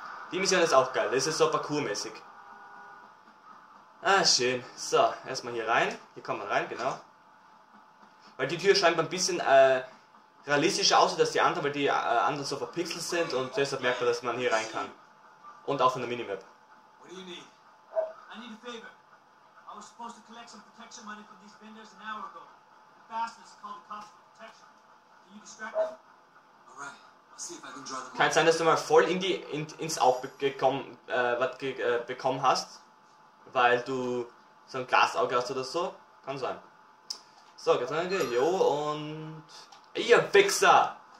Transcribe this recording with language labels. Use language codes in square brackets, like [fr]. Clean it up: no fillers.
[de] Die Mission ist auch geil, das ist so parkourmäßig. Ah, schön. So, erstmal hier rein. Hier kommt man rein, genau. Weil die Tür scheint ein bisschen realistischer aussieht als die anderen, weil die anderen so verpixelt sind und deshalb merkt man, dass man hier rein kann. Und auch in der Minimap. [en] What do you need? I need a favor. I was supposed to collect some protection money from these vendors an hour ago. The bastards called the cops for protection. Can you distract them? Alright. [de] Kann sein, dass du mal voll in die ins Auge gekommen bekommen hast, weil du so ein Glasauge hast oder so. Kann sein. So, ganz danke, jo, und ihr Wichser!